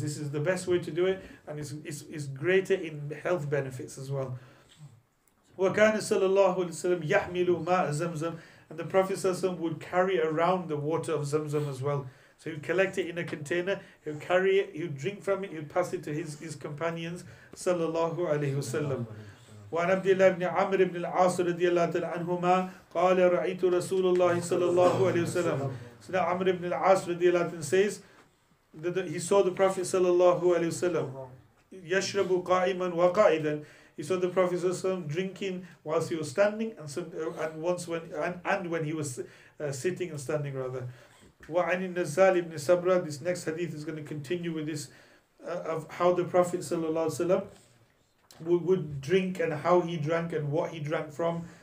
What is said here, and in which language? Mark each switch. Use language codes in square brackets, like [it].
[en] This is the best way to do it, and it's greater in health benefits as well. [ar] وَكَانَ صَلَى اللَّهُ عَلَيْهِ وَسَلَّمْ يَحْمِلُ مَاءَ زَمْزَمْ. [en] And the Prophet ﷺ would carry around the water of Zamzam as well. So he'd collect it in a container, he'd carry it, he'd drink from it, he'd pass it to his companions, [ar] صَلَى اللَّهُ عَلَيْهِ وَسَلَّمْ. وعن عبد الله بن عمرو بن العاص رضي الله تعالى عنهما قال رأيت رسول الله صلى الله عليه وسلم. [en] So now عمرو بن العاص [ar] رضي الله تعالى [en] says that he saw the Prophet [ar] صلى الله عليه وسلم يشرب قائما وقائدا. [en] He saw the Prophet [ar] صلى الله عليه وسلم [en] drinking whilst he was standing and once when he was sitting and standing rather. [ar] وعن النزال بن سبرة. [en] This next hadith is going to continue with this of how the Prophet [ar] صلى الله عليه وسلم [en] would drink and how he drank and what he drank from.